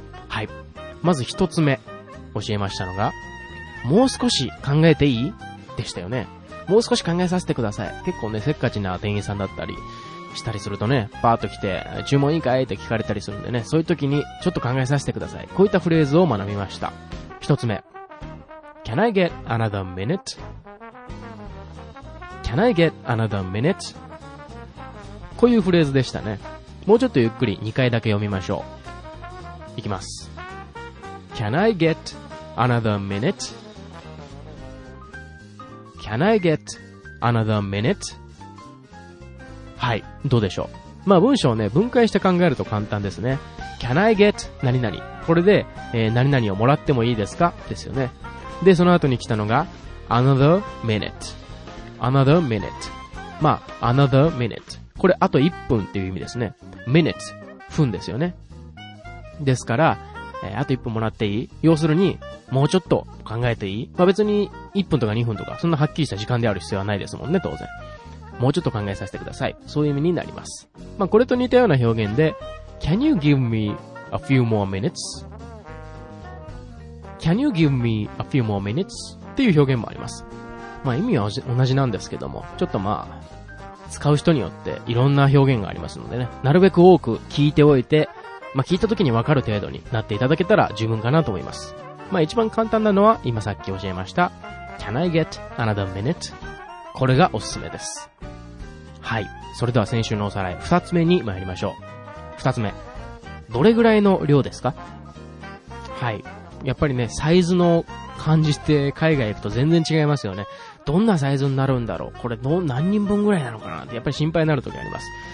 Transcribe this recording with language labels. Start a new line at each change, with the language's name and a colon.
Japanese: はい、まず1つ目教えましたのが、もう少し考えていい?でしたよね。もう少し考えさせてください。結構ね、せっかちな店員さんだったりしたりするとね、パーッと来て、注文いいかい? って聞かれたりするんでね、そういう時に、ちょっと考えさせてください。こういったフレーズを学びました。一つ目。
English: Can I get another minute? Can I get another minute?
Japanese: こういうフレーズでしたね。もうちょっとゆっくり2回だけ読みましょう。いきます。
English: Can I get another minute? Can I get another minute?
Japanese: はい、どうでしょう。まあ文章をね、分解して考えると簡単ですね。
English: Can I get 何々。
Japanese: これで、何々をもらってもいいですか? ですよね。で、その後に来たのが、
English: another minute。 another minute。まあ、another minute。
Japanese: これ、あと1分っていう意味ですね。 minute。 分ですよね。ですから、あと1分もらっていい?要するに、もうちょっと考えていい? まあ別に1分とか2分とか、そんなはっきりした時間である必要はないですもんね、当然。もうちょっと考えさせてください。そういう意味になります。
English: まあこれと似たような表現で、Can you give me a few more minutes? Can you give me a few more minutes?
Japanese: っていう表現もあります。まあ意味は同じなんですけども、ちょっとまあ、使う人によっていろんな表現がありますのでね、なるべく多く聞いておいて、まあ、聞いた時に分かる程度になっていただけたら十分かなと思います。まあ、一番簡単なのは今さっき教えました。
English: Can I get another minute?
Japanese: これがおすすめです。はい。それでは先週のおさらい、二つ目に参りましょう。二つ目。どれぐらいの量ですか?はい。やっぱりね、サイズの感じって海外行くと全然違いますよね。どんなサイズになるんだろう?これ何人分ぐらいなのかなってやっぱり心配になる時あります。